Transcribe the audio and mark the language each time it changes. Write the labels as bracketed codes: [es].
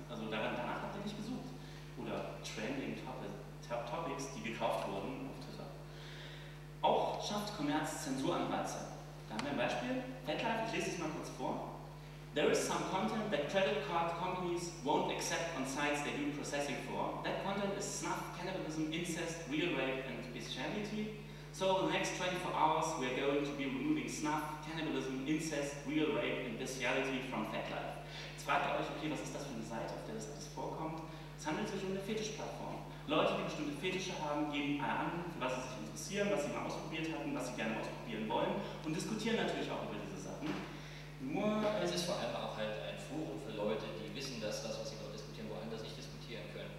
[de] Also danach habt ihr nicht gesucht. Oder Trending Topics, die gekauft wurden auf Twitter. Auch schafft Commerz Zensuranreize. Da haben wir ein Beispiel. FatLife, ich lese es mal kurz vor. [en] There is some content that credit card companies won't accept on sites they do processing for. That content is snuff, cannibalism, incest, real rape and bestiality. So over the next 24 hours we are going to be removing snuff, cannibalism, incest, real rape and bestiality from FatLife. [de] Fragt ihr euch, okay, was ist das für eine Seite, auf der das alles vorkommt? Es handelt sich um eine Fetischplattform. Leute, die bestimmte Fetische haben, geben an, für was sie sich interessieren, was sie mal ausprobiert hatten, was sie gerne ausprobieren wollen und diskutieren natürlich auch über diese Sachen. Nur es ist vor allem auch halt ein Forum für Leute, die wissen, dass das, was sie dort diskutieren wollen, das nicht diskutieren können.